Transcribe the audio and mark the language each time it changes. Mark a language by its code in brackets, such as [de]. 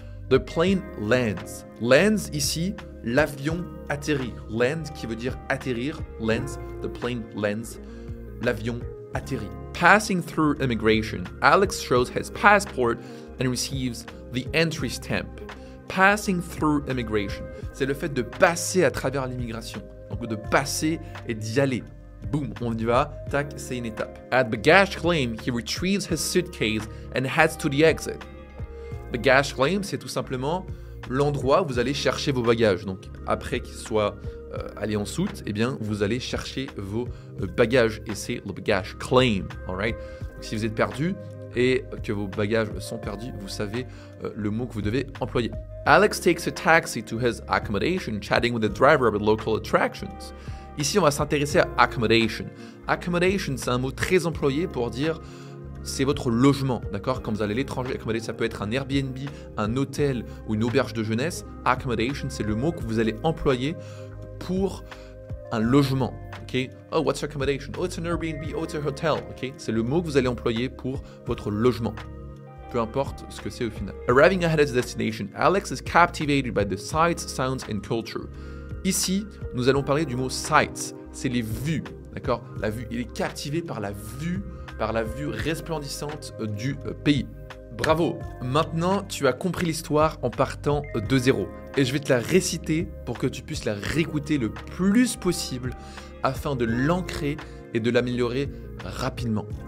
[en] The plane lands. Lands [fr] ici, l'avion atterrit. [en] Land [fr] qui veut dire atterrir. [en] Lands, the plane lands. [fr] L'avion atterrit. [en] Passing through immigration, Alex shows his passport and receives the entry stamp. Passing through immigration, [fr] c'est le fait de passer à travers l'immigration. Donc de passer et d'y aller. Boom, on y va, tac, c'est une étape. [en] At bagage claim, he retrieves his suitcase and heads to the exit. Bagage claim, [fr] c'est tout simplement l'endroit où vous allez chercher vos bagages. Donc après qu'ils soient allés en soute, eh bien vous allez chercher vos bagages et c'est le bagage claim, [en] all right? [fr] Donc, si vous êtes perdu et que vos bagages sont perdus, vous savez le mot que vous devez employer. Alex takes a taxi to his accommodation, chatting with the driver about local attractions. Ici, on va s'intéresser à [en] accommodation. Accommodation, [fr] c'est un mot très employé pour dire c'est votre logement, d'accord? Quand vous allez à l'étranger, accommoder, ça peut être un Airbnb, un hôtel ou une auberge de jeunesse. [en] Accommodation, [fr] c'est le mot que vous allez employer pour un logement, ok? [en] Oh, what's accommodation? Oh, it's an Airbnb, oh, it's a hotel, ok? [fr] C'est le mot que vous allez employer pour votre logement. Peu importe ce que c'est au final. [en] Arriving ahead of the destination, Alex is captivated by the sights, sounds and culture. [fr] Ici, nous allons parler du mot [en] sights, [fr] c'est les vues, d'accord? La vue, il est captivé par la vue. Par la vue resplendissante du pays. Bravo! Maintenant, tu as compris l'histoire en partant de zéro. Et je vais te la réciter pour que tu puisses la réécouter le plus possible afin de l'ancrer et de l'améliorer rapidement.